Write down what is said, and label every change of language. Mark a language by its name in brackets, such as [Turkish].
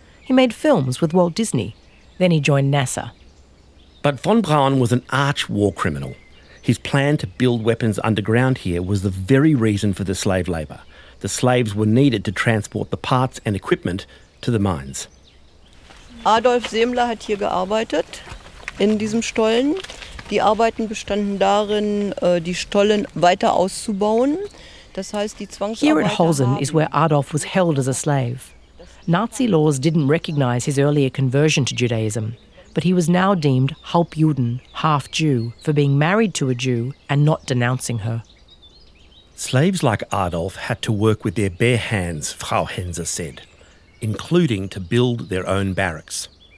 [English] He made films with Walt Disney. Then he joined NASA. But von Braun was an arch war criminal. His plan to build weapons underground here was the very reason for the slave labour. The slaves were needed to transport the parts and equipment to the mines. [German] Adolf Semler hat hier gearbeitet in diesem Stollen. Die Arbeiten bestanden darin, die Stollen weiter auszubauen. Das heißt, die Zwangsarbeiter. [English] Here at Holzen is where Adolf was held as a slave. Nazi laws didn't recognize his earlier conversion to Judaism, but he was now deemed Halbjuden, half Jew, for being married to a Jew and not denouncing her. Slaves like Adolf had to work with their bare hands, Frau Henze said, including to build their own barracks.